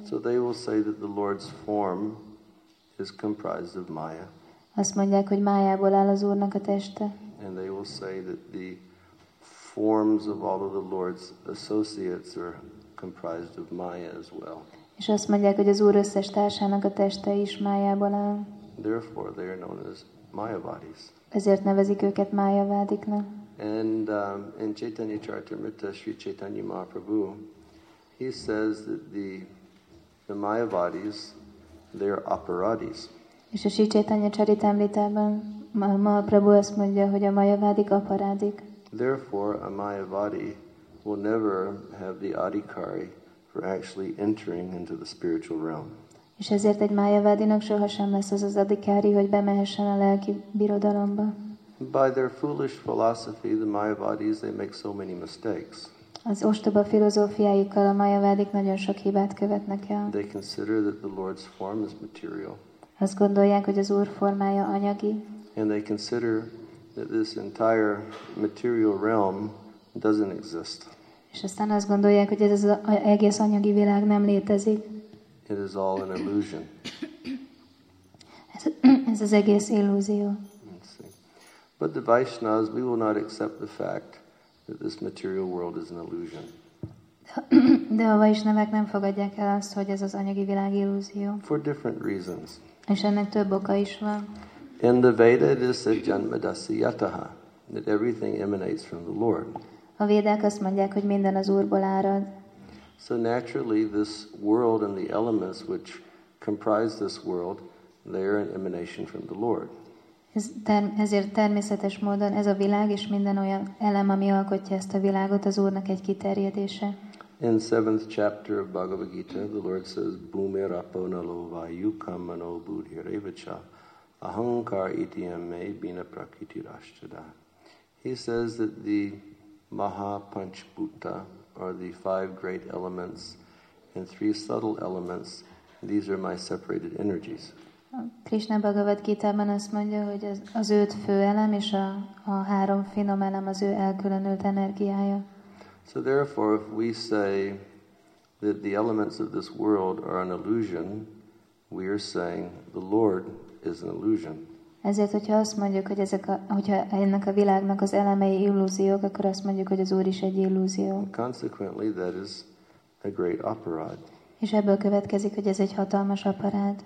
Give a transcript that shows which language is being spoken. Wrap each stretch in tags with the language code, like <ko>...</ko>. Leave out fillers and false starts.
<en>So they will say that the Lord's form is comprised of Maya.</en> <hu>Azt mondják, hogy Mayából áll az Úrnak a teste.</hu> <en>And they will say that the forms of all of the Lord's associates are comprised of Maya as well.</en> <hu>És azt mondják, hogy az Úr összes társának a teste is Mayából áll.</hu> <en>Therefore they are known as Mayavadis.</en> <hu>Ezért nevezik őket Mayavádiknak.</hu> <en>And in Chaitanya Charitamrita, Sri Chaitanya Mahaprabhu, he says that the Mayavadis, they are aparadis.</en> <hu>És a Sri Chaitanya Charitamritában Mahaprabhu azt mondja, hogy a Mayavadik aparadik.</hu> <en>Therefore, a Mayavadi will never have the adhikari for actually entering into the spiritual realm.</en> <hu>És ezért egy Mayavadinak sohasem lesz az az adhikári, hogy bemehessen a lelki birodalomba.</hu> <en>By their foolish philosophy, the Mayavadis, they make so many mistakes.</en> <hu>Az ostoba filozófiájukkal a Mayavadik nagyon sok hibát követnek el.</hu> <en>They consider that the Lord's form is material.</en> <hu>Azt gondolják, hogy az Úr formája anyagi.</hu> <en>And they consider that this entire material realm doesn't exist.</en> <hu>És aztán azt gondolják, hogy ez az egész anyagi világ nem létezik.</hu> <en>It is all an illusion.</en> <hu>Ez az egész illúzió.</hu> <en>But the Vaishnavas, we will not accept the fact that this material world is an illusion.</en> <hu>De a Vaishnavák nem fogadják el azt, hogy ez az anyagi világ illúzió.</hu> <en>For different reasons.</en> <hu>És ennek több oka is van.</hu> <en>In the Veda, it is said janmadasyataha, that everything emanates from the Lord.</en> <hu>A Védák azt mondják, hogy minden az Úrból árad.</hu> <en>So naturally, this world and the elements which comprise this world, they are an emanation from the Lord.</en> <hu>Ezért természetes módon ez a világ és minden olyan elem, ami alkotja ezt a világot, az Úrnak egy kiterjedése.</hu> <en>In seventh chapter of Bhagavad Gita, the Lord says,</en> <sa>Bhumirapo nalo vayukam mano buddhirevacha ahankar itiyam me bina prakriti rashtada.</sa> <en>He says that the maha panchbhuta are the five great elements and three subtle elements. These are my separated energies.</en> <hu>Krishna Bhagavad Gita-ban azt mondja, hogy az öt fő elem és a három finom elem az ő elkülönült energiája.</hu> <en>So therefore, if we say that the elements of this world are an illusion, we are saying the Lord is an illusion.</en> <hu>Ezért, hogyha azt mondjuk, hogy hogyha ennek a világnak az elemei illúziók, akkor azt mondjuk, hogy az Úr is egy illúzió.</hu> <en>And consequently, that is a great aparád.</en> <hu>És ebből következik, hogy ez egy hatalmas aparád.</hu>